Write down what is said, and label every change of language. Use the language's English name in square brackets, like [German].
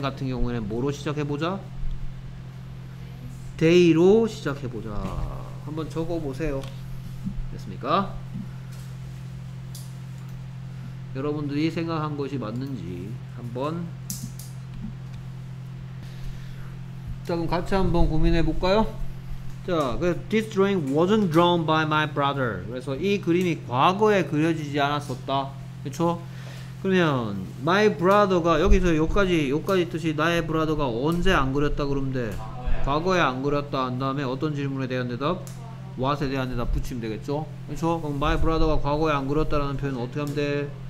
[Korean] 같은 경우에는 뭐로 시작해보자? They로 시작해보자. 한번 적어보세요. 됐습니까? 여러분들이 생각한 것이 맞는지 한번. 자, 그럼 같이 한번 고민해볼까요? [English] 자, 그 this drawing wasn't drawn by my brother. [Korean] 그래서 이 그림이 과거에 그려지지 않았었다. 그렇죠? 그러면 [English] my brother [Korean] 가 여기서 여기까지 뜻이 나의 brother가 언제 안 그렸다 그러면 돼? 과거에 안 그렸다 한 다음에 어떤 질문에 대한 대답? What에 대한 대답 붙이면 되겠죠? 그렇죠? 그럼 [English] my brother [Korean] 가 과거에 안 그렸다라는 표현은 어떻게 하면 돼?